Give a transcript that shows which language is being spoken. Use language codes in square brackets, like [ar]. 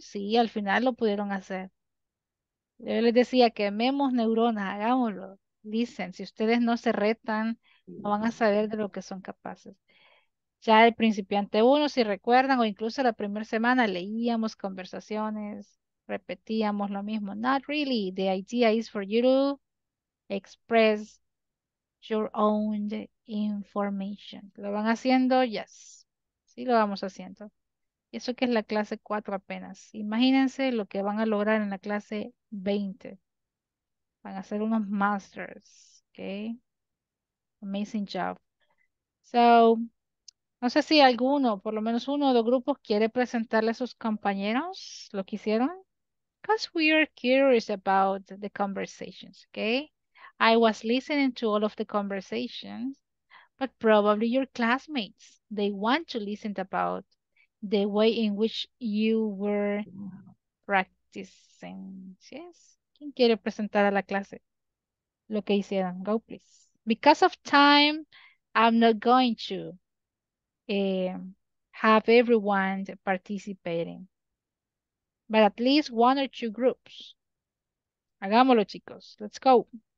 [es] Sí, al final lo pudieron hacer. Yo les decía, quememos neuronas, hagámoslo. [en] Listen, [es] si ustedes no se retan, no van a saber de lo que son capaces. Ya el principiante uno, si recuerdan, o incluso la primera semana, leíamos conversaciones, repetíamos lo mismo. [en] Not really. The idea is for you to express your own information. [es] ¿Lo van haciendo? [en] Yes. [es] Sí, lo vamos haciendo. Y eso que es la clase 4 apenas. Imagínense lo que van a lograr en la clase 20. Van a ser unos masters, okay? [en] Amazing job. So, [es] no sé si alguno, por lo menos uno o dos grupos, quiere presentarle a sus compañeros lo que hicieron. [en] Because we are curious about the conversations, okay? I was listening to all of the conversations, but probably your classmates, they want to listen about the way in which you were practicing. Yes. [es] ¿Quién quiere presentar a la clase lo que hicieron? [en] Go, please. Because of time, I'm not going to have everyone participating. But at least one or two groups. [es] Hagámoslo, chicos. [en] Let's go.